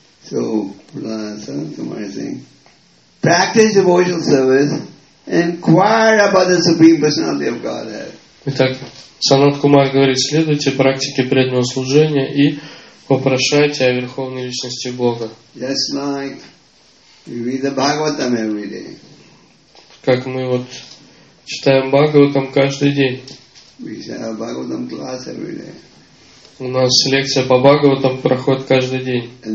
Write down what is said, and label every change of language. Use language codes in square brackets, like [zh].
[en] So, summarizing. Practice devotional service. Inquire about the Supreme Personality of Godhead. [ru] Итак, Санат Кумар говорит, следуйте практике преданного служения и попрошайте о Верховной Личности Бога. [en] Just like we read the Bhagavatam every day. [ru] Как мы вот читаем Бхагаватам каждый день. [en] We have Bhagavatam class every day. [ru] У нас лекция по Бхагаватам проходит каждый день.